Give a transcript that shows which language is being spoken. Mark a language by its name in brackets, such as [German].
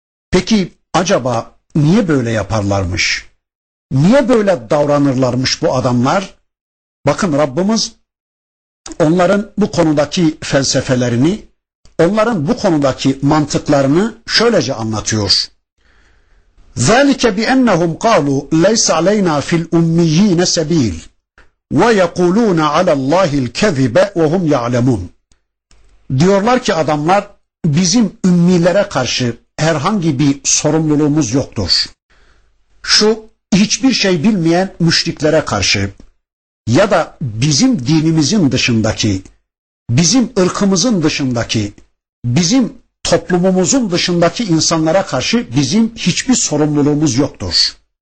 [Turkish] Peki acaba niye böyle yaparlarmış? Niye böyle davranırlarmış bu adamlar? Bakın Rabbimiz onların bu konudaki felsefelerini, onların bu konudaki mantıklarını şöylece anlatıyor. [Arabic] ذَٰلِكَ بِأَنَّهُمْ قَالُوا لَيْسَ عَلَيْنَا فِي الْاُمِّيِّينَ سَب۪يلٌ وَيَقُولُونَ عَلَى اللّٰهِ الْكَذِبَ وَهُمْ يَعْلَمُونَ [Turkish] Diyorlar ki adamlar, bizim ümmilere karşı herhangi bir sorumluluğumuz yoktur. Şu hiçbir şey bilmeyen müşriklere karşı ya da bizim dinimizin dışındaki, bizim ırkımızın dışındaki, bizim toplumumuzun dışındaki insanlara karşı bizim hiçbir sorumluluğumuz yoktur.